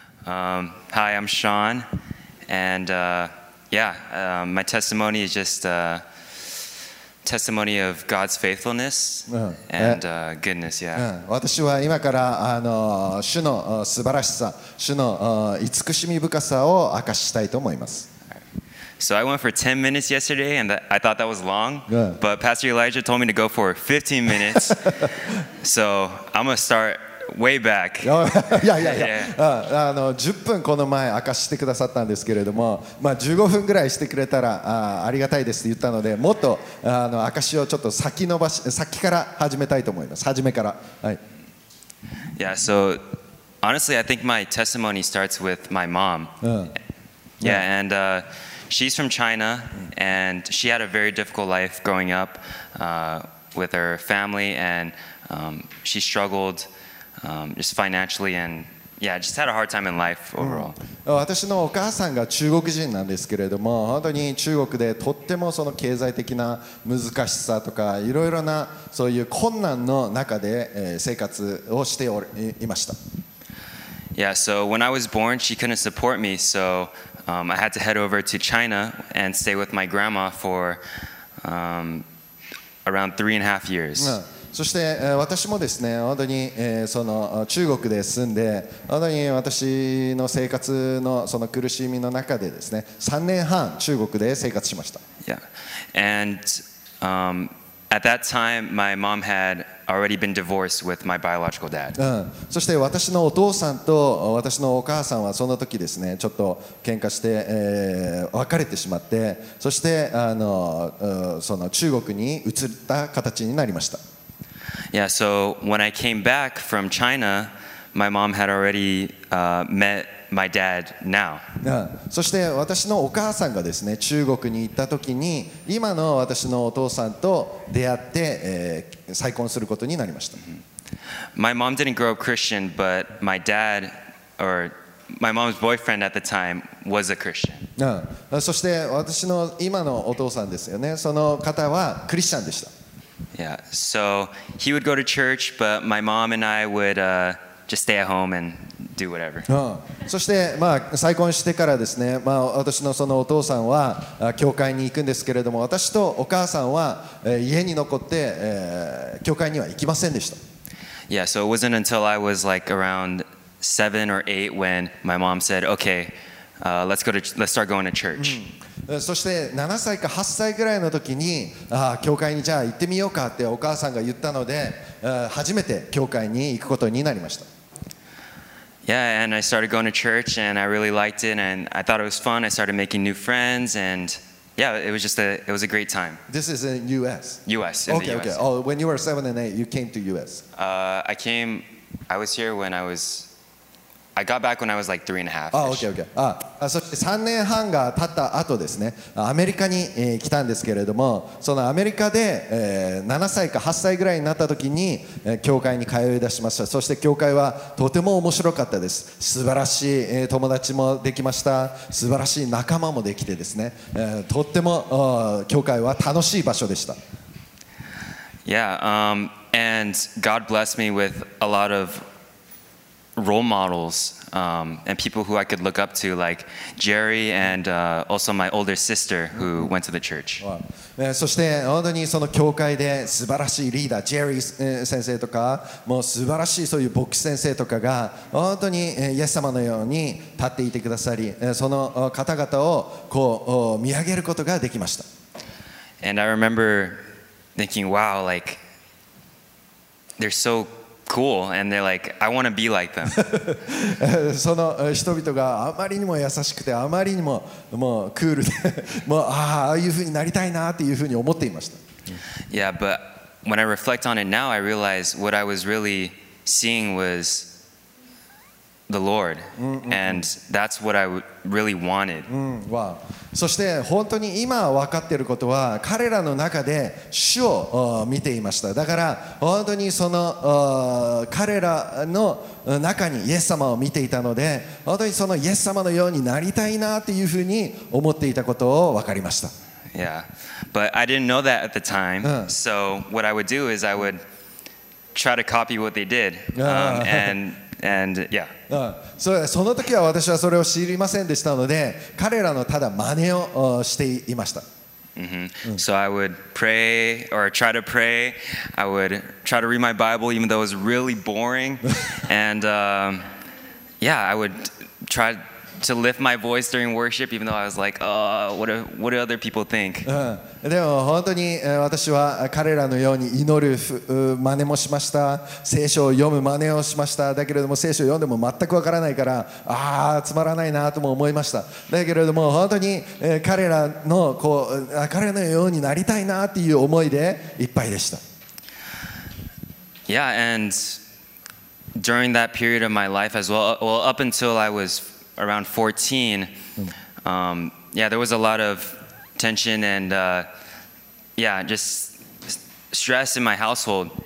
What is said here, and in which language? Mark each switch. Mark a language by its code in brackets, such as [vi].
[en] Hi, I'm Sean, and my testimony is just a testimony of God's faithfulness and goodness. Yeah. [ja] 私は今から主の素晴らしさ、主の慈しみ深さを明かしたいと思います。 [en] So I went for 10 minutes yesterday, and I thought that was long. Yeah. But Pastor Elijah told me to go for 15 minutes. So I'm gonna start way back. Yeah. [ja] 10分この前明かしてくださったんですけれども、まあ15分ぐらいしてくれたらありがたいですって言ったので、もっと明かしをちょっと先延ばし、先から始めたいと思います。初めから。はい。 [en] Yeah. So honestly, I think my testimony starts with my mom. Yeah. And she's from China, and she had a very difficult life growing up with her family, and she struggled just financially, and yeah, just had a hard time in life overall. [ja] 私のお母さんが中国人なんですけれども、本当に中国でとってもその経済的な難しさとかいろいろなそういう困難の中で生活をしておりいました。 [en] Yeah, so when I was born, she couldn't support me, so I had to head over to China and stay with my grandma for around 3.5 years. [ja] そして私もですね、本当にその中国で住んで、本当に私の生活のその苦しみの中でですね、3年半中国で生活しました。 [en] Yeah. And at that time, my mom had already been divorced with my biological dad. [ja] そして私のお父さんと私のお母さんはその時ですね、ちょっと喧嘩して別れてしまって、そしてその中国に移った形になりました。 [en] Yeah, so when I came back from China, my mom had already met my dad now. [ja] そして私のお母さんがですね、中国に行った時に、今の私のお父さんと出会って、再婚することになりました。 [en] My mom didn't grow up Christian, but my dad, or my mom's boyfriend at the time, was a Christian. [ja] そして私の今のお父さんですよね、その方はクリスチャンでした。 [en] Yeah, so he would go to church, but my mom and I would just stay at home and do whatever. [ja] そして、まあ、再婚してからですね、まあ、私のそのお父さんは教会に行くんですけれども、私とお母さんは家に残って教会には行きませんでした。 [en] Yeah, so it wasn't until I was like around 7 or 8 when my mom said, okay, let's start going to church. [ja] そして7歳か8歳ぐらいの時に、教会にじゃあ行ってみようかってお母さんが言ったので、初めて教会に行くことになりました。 [en] Yeah, and I started going to church and I really liked it and I thought it was fun. I started making new friends and yeah, it was a great time. This is in US. US. Okay, okay. Oh, when you were 7 and 8, you came to US. I was here when I got back when I was like 3.5. Oh, okay, okay. [ja] そして3年半が経った後ですね、アメリカに来たんですけれども、そのアメリカで7歳か8歳ぐらいになった時に教会に通い出しました。そして教会はとても面白かったです。素晴らしい友達もできました。素晴らしい仲間もできてですね、とっても教会は楽しい場所でした。 [en] Yeah, and God blessed me with a lot of role models and people who I could look up to, like Jerry and also my older sister who went to the church. [ja] そして本当にその教会で素晴らしいリーダー、ジェリー先生とか、もう素晴らしいそういう牧師先生とかが本当にイエス様のように立っていてくださり、その方々をこう見上げることができました。 [en] And I remember thinking, wow, like they're soCool, and they're like, I want to be like them. [ja] その人々があまりにも優しくて、あまりにももうクールで、もうああいう風になりたいなっていう風に思っていました。 [en] Yeah, but when I reflect on it now, I realize what I was really seeing was the Lord, and that's what I really wanted. Wow. [ja] そして本当に今分かっていることは、彼らの中で主を見ていました。だから本当にその彼らの中にイエス様を見ていたので、本当にそのイエス様のようになりたいなというふうに思っていたことを分かりました。 [en] Yeah, but I didn't know that at the time. So what I would do is I would try to copy what they did. And And yeah. So, [ja] その時は私はそれを知りませんでしたので、彼らのただ真似をしていました。 [en] Mm-hmm. So I would pray or try to pray. I would try to read my Bible even though it was really boring. And yeah, I would try to lift my voice during worship even though I was like, oh, what do other people think? [ja] でも本当に私は彼らのように祈る真似もしました。聖書を読む真似をしました。だけれども聖書を読んでも全くわからないから、ああ、つまらないなとも思いました。だけれども本当に彼らのこう彼のようになりたいなっていう思いでいっぱいでした。 [en] Yeah, and during that period of my life as well, well up until I was around 14, yeah, there was a lot of tension and yeah, just stress in my household.